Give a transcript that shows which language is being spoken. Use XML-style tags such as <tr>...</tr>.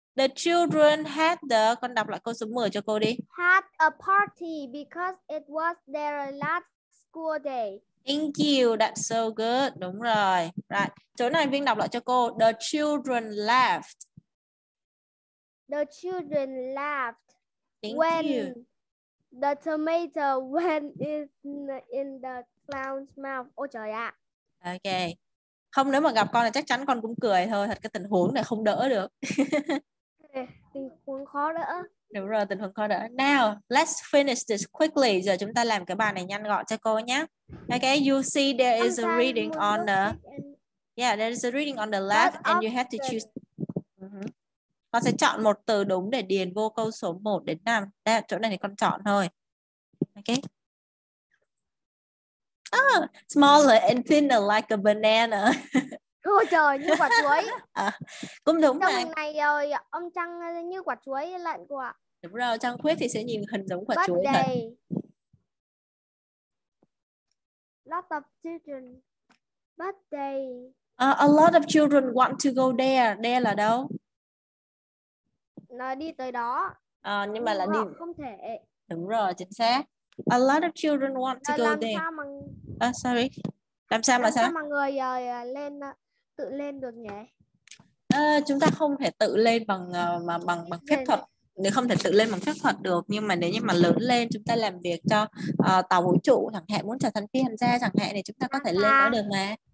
<en>The children had the,</en> <vi>con đọc lại câu số 10 cho cô đi.</vi> <en>Had a party because it was their last school day. Thank you, that's so good.</en> <vi>Đúng rồi.</vi> <en>Right.</en> <vi>Chỗ này Vinh đọc lại cho cô.</vi> <en>The children laughed. The children laughed. Thank when you. The tomato went in the clown's mouth.</en> <vi>Ôi trời ạ. À. Okay. Không, nếu mà gặp con thì chắc chắn con cũng cười thôi. Thật cái tình huống này không đỡ được. Tình huống khó đỡ. Đúng rồi, tình huống khó đỡ.</vi> <en>Now, let's finish this quickly.</en> <vi>Giờ chúng ta làm cái bài này nhanh gọn cho cô nhé.</vi> <en>Okay, you see there is a reading on the... Yeah, there is a reading on the left and you have to choose...</en> <vi>Con sẽ chọn một từ đúng để điền vô câu số 1 đến 5. Đây, chỗ này thì con chọn thôi. Okay.</vi> <en>Ah, smaller and thinner like a banana.</en> <vi>Ôi trời, như quả chuối. À, cũng đúng trong mà. Trong này ông Trăng như quả chuối lận của ạ. Đúng rồi, Trăng Khuyết thì sẽ nhìn hình giống quả chuối thật.</vi> <en>Lot of children. Birthday. A lot of children want to go there.</en> <vi>There là đâu? Nó đi tới đó. Nhưng mà là đi không thể. Đúng rồi, chính xác.</vi> <en>A lot of children want to go there.</en> <vi>Làm sao mà sorry. Làm sao mà người lên tự lên được nhỉ? Chúng ta không thể tự lên bằng phép thuật. Nếu không thể tự lên bằng phép thuật được, nhưng mà nếu như mà lớn lên chúng ta làm việc cho tàu vũ trụ chẳng hạn, muốn trở thành phi hành gia chẳng hạn, thì chúng ta có thể lên đó được mà.</vi>